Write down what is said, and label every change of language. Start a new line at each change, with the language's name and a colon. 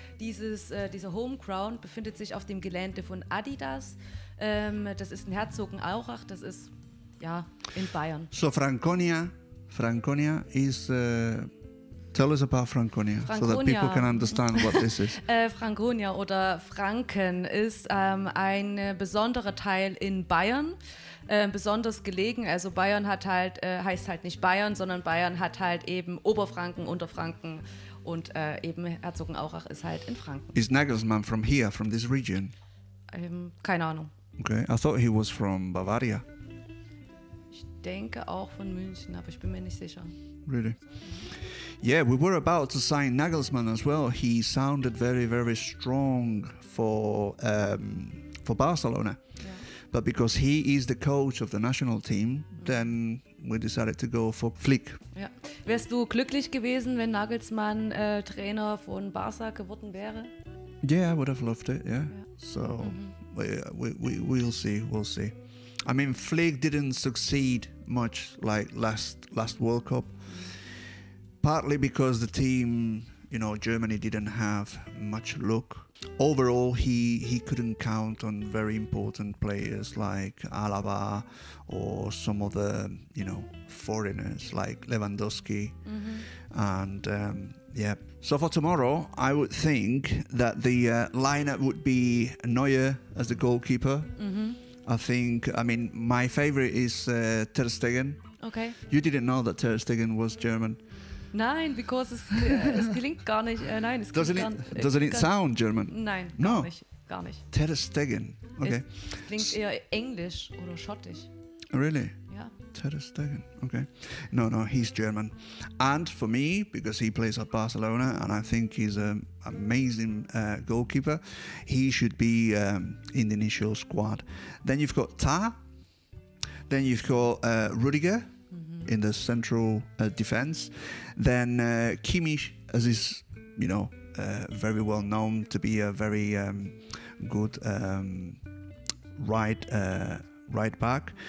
German: Dieser Homeground befindet sich auf dem Gelände von Adidas. Das ist in Herzogenaurach, das ist in Bayern. So Franconia ist...
English: Tell us about Franconia, so that people can understand what this is.
German: Franconia oder Franken ist ein besonderer Teil in Bayern, besonders gelegen. Also Bayern hat halt heißt halt nicht Bayern, sondern Bayern hat halt eben Oberfranken, Unterfranken und eben Herzogenaurach ist halt in Franken.
English: Is Nagelsmann from here, from this region?
German: Keine Ahnung.
English: Okay, I thought he was from Bavaria.
German: Ich denke auch von München, aber ich bin mir nicht sicher.
English: Really? Yeah, we were about to sign Nagelsmann as well. He sounded very, very strong for Barcelona. Yeah. But because he is the coach of the national team, then we decided to go for Flick. Yeah.
German: Wärst du glücklich gewesen, wenn Nagelsmann Trainer von Barca geworden wäre?
English: Yeah, I would have loved it, yeah. So we'll see. I mean, Flick didn't succeed much like last World Cup. Partly because the team you know, Germany didn't have much luck. Overall, he couldn't count on very important players like Alaba or some other, you know, foreigners like Lewandowski. Mm-hmm. And so for tomorrow, I would think that the lineup would be Neuer as the goalkeeper. Mm-hmm. I mean, my favorite is Ter Stegen. Okay. You didn't know that Ter Stegen was German.
German: Nein,
English: because
German: es klingt gar nicht. Nein, es klingt
English: Doesn't it sound German?
German: Nein, gar nicht.
English: Ter Stegen. Okay.
German: Es klingt eher Englisch oder Schottisch.
English: Really? Yeah. Ter Stegen. Okay. No, he's German. And for me, because he plays at Barcelona and I think he's an amazing goalkeeper, he should be in the initial squad. Then you've got Tah. Then you've got Rüdiger. In the central defense, then Kimmich, as is, you know, very well known to be a very good right back.